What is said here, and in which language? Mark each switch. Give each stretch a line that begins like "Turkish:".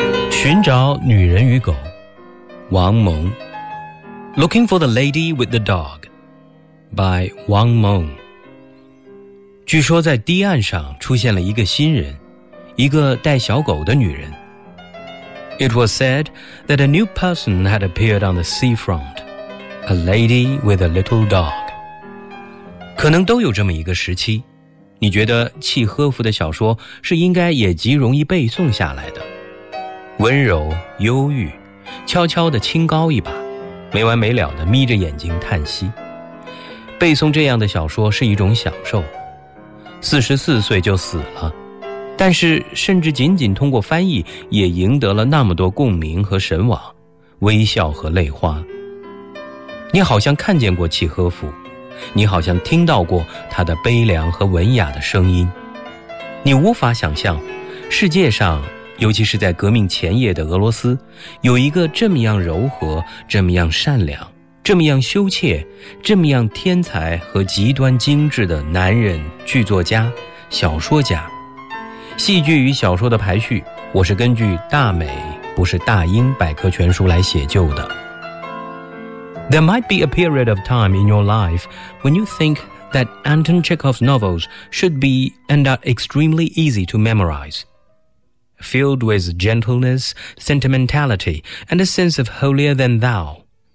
Chinese: 寻找女人与狗，王蒙。
English: Looking for the Lady with the Dog by 王蒙。
Chinese: 据说在堤岸上出现了一个新人，一个带小狗的女人。
English: It was said that a new person had appeared on the seafront, a lady with a little dog.
Chinese: 可能都有这么一个时期，你觉得契诃夫的小说是应该也极容易背诵下来的，温柔忧郁，悄悄地清高一把，没完没了地眯着眼睛叹息。背诵这样的小说是一种享受。44岁就死了，但是甚至仅仅通过翻译也赢得了那么多共鸣和神往，微笑和泪花。你好像看见过契诃夫，你好像听到过他的悲凉和文雅的声音，你无法想象世界上，尤其是在革命前夜的俄罗斯，有一个这么样柔和，这么样善良，这么样羞怯，这么样天才和极端精致的男人剧作家、小说家。戏剧与小说的排序，我是根据大美不是大英百科全书来写就的。
English: There might be a period of time in your life when you think that Anton Chekhov's novels should be and are extremely easy to memorizefilled with gentleness, sentimentality, and a sense of holier-than-thou.